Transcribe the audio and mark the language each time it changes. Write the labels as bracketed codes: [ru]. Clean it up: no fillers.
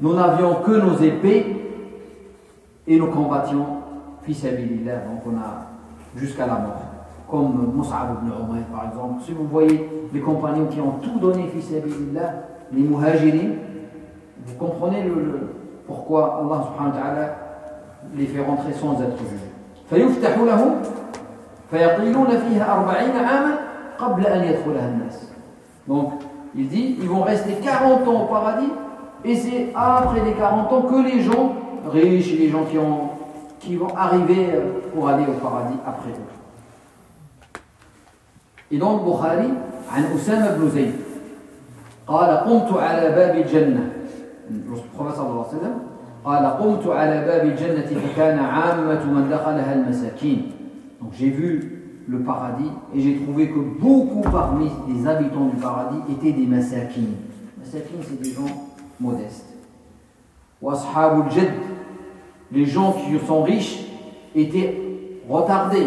[fr] Nous n'avions que nos épées et nous combattions [ar] فِي سَبِيلِ اللَّهِ. [fr] Donc on a jusqu'à la mort. Comme Mus'ab ibn Umair par exemple. Si vous voyez les compagnons qui ont tout donné [ar] فِي سَبِيلِ اللَّهِ, [fr] les muhajirins, vous comprenez pourquoi Allah subhanahu wa ta'ala les fait rentrer sans être jugés. [ar] فَيُفْتَحُ لَهُمْ فيطيلون فيها 40 عاما قبل ان يدخلها الناس. [fr] Donc il dit ils vont rester 40 ans au paradis et c'est après les 40 ans que les gens riches et les gens qui vont arriver pour aller au paradis après eux. Et donc [ar] Bukhari عن أسامة بن زيد قال قمت على باب الجنة. [fr] Le prophète [ar] صلى الله عليه وسلم قال قمت على باب الجنة فكان عامة من دخلها المساكين. [fr] Donc j'ai vu le paradis et j'ai trouvé que beaucoup parmi les habitants du paradis étaient des masakin. Masakin, c'est des gens modestes. [ar] Washabul jadd, [fr] les gens qui sont riches étaient retardés.